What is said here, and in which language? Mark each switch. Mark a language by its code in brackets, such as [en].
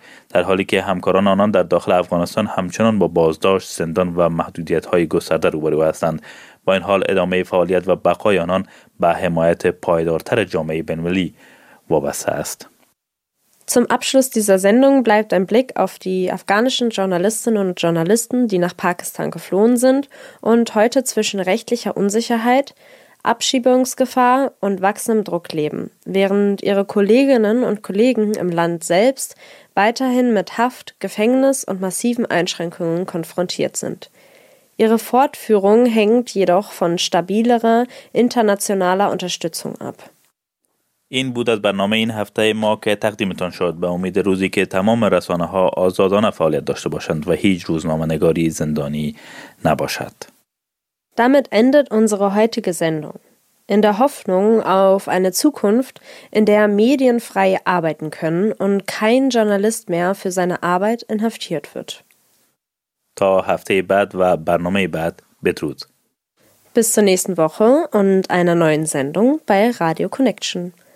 [fa] در حالی که همکاران آنان در داخل افغانستان همچنان با بازداشت، زندان و محدودیت‌های گسترده روبرو هستند. با این حال ادامه فعالیت و بقای آنان به حمایت پایدارتر جامعه بین‌المللی وابسته است. [de] Zum Abschluss dieser Sendung bleibt ein Blick auf die afghanischen Journalistinnen und Journalisten, die nach Pakistan geflohen sind und heute zwischen rechtlicher Unsicherheit, Abschiebungsgefahr und wachsendem Druck leben, während ihre Kolleginnen und Kollegen im Land selbst weiterhin mit Haft, Gefängnis und massiven Einschränkungen konfrontiert sind. Ihre Fortführung hängt jedoch von stabilerer internationaler Unterstützung ab. [fa] این بود از برنامه این هفته ما که تقدیمتان شد. به امید روزی که تمام رسانه ها آزادانه فعالیت داشته باشند و هیچ روزنامه نگاری زندانی نباشد. [de] Damit endet unsere heutige Sendung. In der Hoffnung auf eine Zukunft, in der Medien frei arbeiten können und kein Journalist mehr für seine Arbeit inhaftiert wird. [fa] تا هفته بعد و برنامه بعد بدرود. [de] Bis zur nächsten Woche und einer neuen Sendung bei Radio Connection.